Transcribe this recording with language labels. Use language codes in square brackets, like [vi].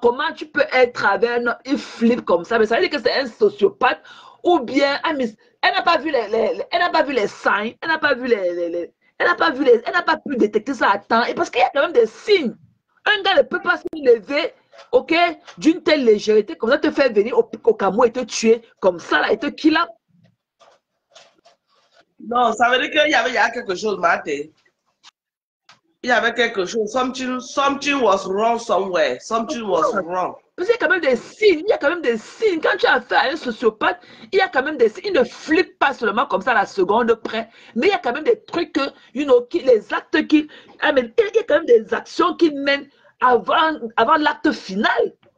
[fr] Comment tu peux être avec un homme, il flippe comme ça? Mais ça veut dire que c'est un sociopathe ou bien elle n'a pas vu les elle n'a pas vu les signes, elle n'a pas vu elle n'a pas pu détecter ça à temps. Et parce qu'il y a quand même des signes. Un gars ne peut pas se lever, ok, d'une telle légèreté comme ça, te faire venir au Cameroun et te tuer comme ça là, et te kidnapper. Non, ça veut dire qu'il y a quelque chose, Mathé. Il y avait quelque chose. [en] Something was wrong somewhere. Something was wrong. [fr] Parce qu'il y a quand même des signes. Il y a quand même des signes. Quand tu as affaire à un sociopathe, il y a quand même des signes. Il ne flippe pas seulement comme ça à la seconde près. Mais il y a quand même des trucs, les actes qu'il amène. Il y a quand même des actions qu'il mène avant l'acte final.